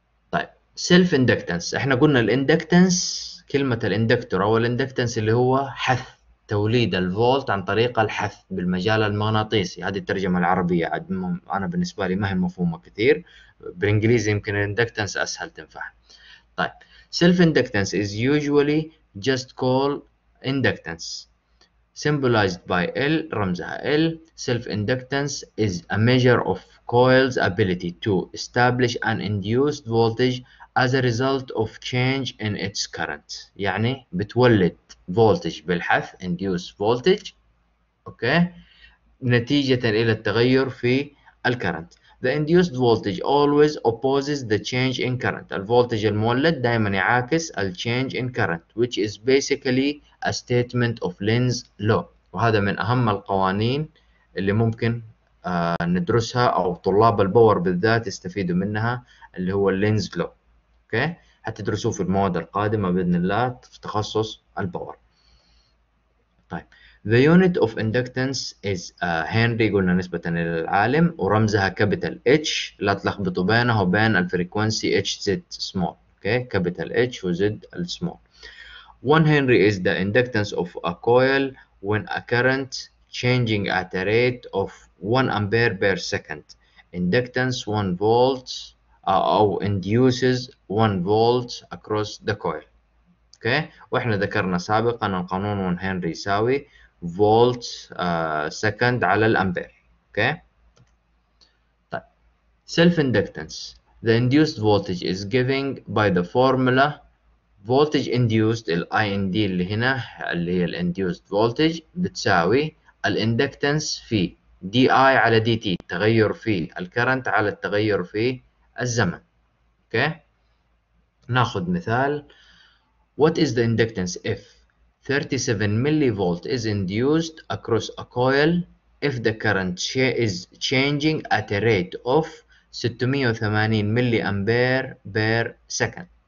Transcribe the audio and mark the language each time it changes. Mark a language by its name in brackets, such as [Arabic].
[Arabic] طيب سيلف اندكتنس، احنا قلنا الاندكتنس، كلمة الاندكتور او الاندكتنس اللي هو حث توليد الفولت عن طريق الحث بالمجال المغناطيسي، هذه الترجمة العربية. انا بالنسبة لي ما هي مفهومة كثير، بالانجليزي يمكن الاندكتنس اسهل تنفعها. طيب سيلف اندكتنس [English] is usually just called inductance symbolized by L، [Arabic] رمزها [English] L. Self-inductance is a measure of coil's ability to establish an induced voltage as a result of change in its current. [Arabic] يعني بتولد voltage بالحث، induced voltage، okay، نتيجة إلى التغير في الكرنت. [English] The induced voltage always opposes the change in current. [Arabic] الفولتج المولد دائما يعاكس ال [English] change in current, which is basically a statement of Lenz law. [Arabic] وهذا من أهم القوانين اللي ممكن ندرسها أو طلاب الباور بالذات يستفيدوا منها، اللي هو Lenz law. Okay؟ هتدرسوه في المواد القادمة بإذن الله في تخصص الباور. طيب. [English] The unit of inductance is Henry، [Arabic] قلنا نسبة إلى العالم، [English] ورمزها capital H، [Arabic] لا تلخبطوا بينه وبين الفريكوانسي [English] HZ small، okay؟ capital H وZ small. 1 Henry is the inductance of a coil when a current changing at a rate of 1 ampere per second inductance 1 volt أو induces 1 volt across the coil. [Arabic] Okay؟ وإحنا ذكرنا سابقا القانون 1 Henry يساوي volt second على الامبير. اوكي okay. [English] طيب self inductance، the induced voltage is given by the formula voltage induced [Arabic] ال IND اللي هنا اللي هي ال [English] induced voltage [Arabic] بتساوي ال [English] inductance في DI على DT، [Arabic] تغير في الكرنت على التغير في الزمن. اوكي okay. ناخذ مثال. [English] What is the inductance if 37 millivolt is induced across a coil if the current is changing at a rate of 680 milliampere per second.